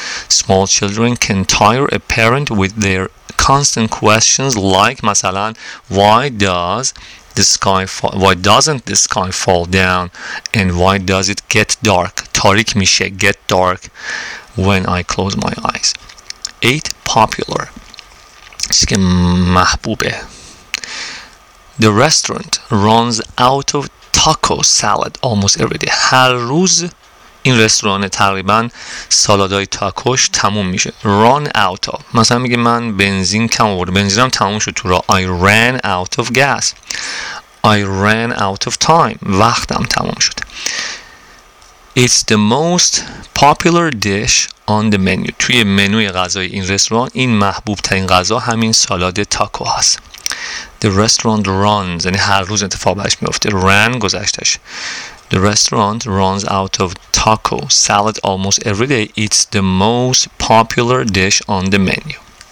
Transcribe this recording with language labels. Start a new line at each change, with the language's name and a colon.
English: Small children can tire a parent with their constant questions like مثلا why doesn't the sky fall down and why does it get dark
Persian: تاریک میشه
English: get dark when I close my eyes.
Persian: 8. Popular. چیزی که محبوبه.
English: The restaurant runs out of taco salad almost every day.
Persian: هر روز این رستوران تقریبا سالادای تاکوش تموم میشه.
English: Run out of.
Persian: مثلا میگه من بنزین کم آوردم. بنزینم تموم شد تو را.
English: I ran out of gas. I ran out of time.
Persian: وقتم تموم شد.
English: It's the most popular dish on the menu.
Persian: توی منوی غذای این رستوران این محبوب ترین غذا همین سالاد تاکو هست.
English: The restaurant runs,
Persian: یعنی هر روز اتفاق برش میفته. Ran گذشتش.
English: The restaurant runs out of taco salad almost every day. It's the most popular dish on the menu.